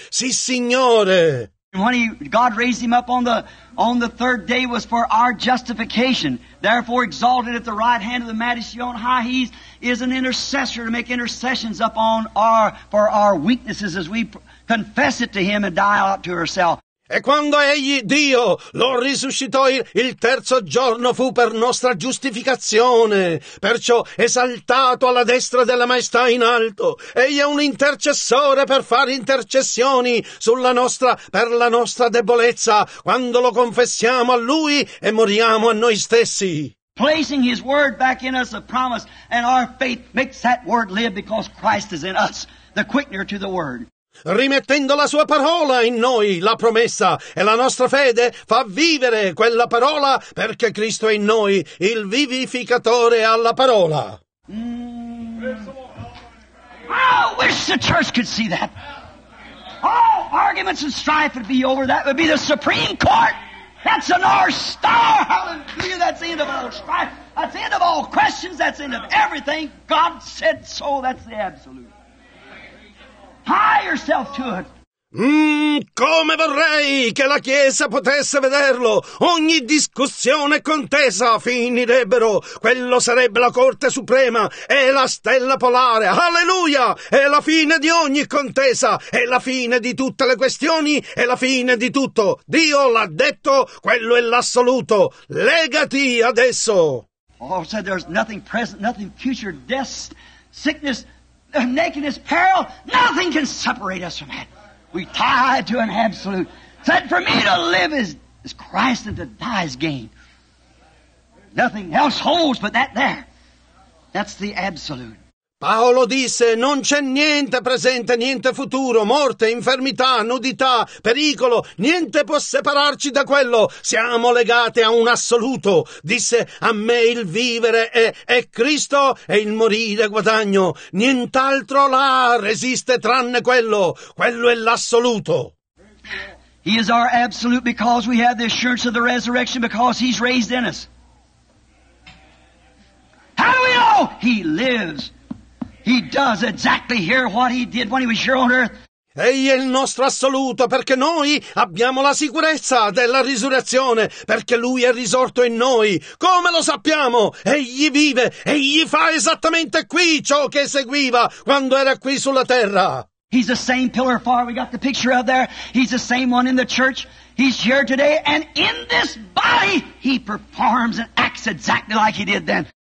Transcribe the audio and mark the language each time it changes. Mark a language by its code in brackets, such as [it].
[it] Sì, Signore. [en] When God raised him up on the third day was for our justification. Therefore exalted at the right hand of the majesty on high, he is an intercessor to make intercessions up on our for our weaknesses as we confess it to him and die out to ourselves. [it] E quando egli, Dio, lo risuscitò, il terzo giorno fu per nostra giustificazione. Perciò esaltato alla destra della maestà in alto, egli è un intercessore per fare intercessioni per la nostra debolezza, quando lo confessiamo a lui e moriamo a noi stessi. [en] Placing his word back in us, a promise, and our faith makes that word live because Christ is in us, the quickener to the word. [it] Rimettendo la sua parola in noi, la promessa, e la nostra fede fa vivere quella parola, perché Cristo è in noi, il vivificatore alla parola. [en] I wish the church could see that. All arguments and strife would be over. That would be the Supreme Court. That's the North Star. Hallelujah. That's the end of all strife. That's the end of all questions. That's the end of everything. God said so. That's the absolute. Tie yourself to it. [it] Come vorrei che la Chiesa potesse vederlo. Ogni discussione e contesa finirebbero. Quello sarebbe la Corte Suprema. È la stella polare. Alleluia! È la fine di ogni contesa. È la fine di tutte le questioni. È la fine di tutto. Dio l'ha detto. Quello è l'assoluto. Legati adesso. [en] Paul said there's nothing present, nothing future, death, sickness, nakedness, peril, nothing can separate us from that. We tie to an absolute. Said, for me to live is Christ and to die is gain. Nothing else holds but that there. That's the absolute. [it] Paolo disse, non c'è niente presente, niente futuro, morte, infermità, nudità, pericolo, niente può separarci da quello, siamo legati a un assoluto. Disse, a me il vivere è Cristo e il morire guadagno, nient'altro là resiste tranne quello, quello è l'assoluto. [en] He is our absolute because we have the assurance of the resurrection because he's raised in us. How do we know? He lives. He does exactly here what he did when he was here on earth. [it] Egli è il nostro assoluto, perché noi abbiamo la sicurezza della risurrezione, perché Lui è risorto in noi. Come lo sappiamo? Egli vive, Egli fa esattamente qui ciò che eseguiva quando era qui sulla terra. [en] He's the same pillar of fire, we got the picture of there. He's the same one in the church. He's here today, and in this body he performs and acts exactly like he did then.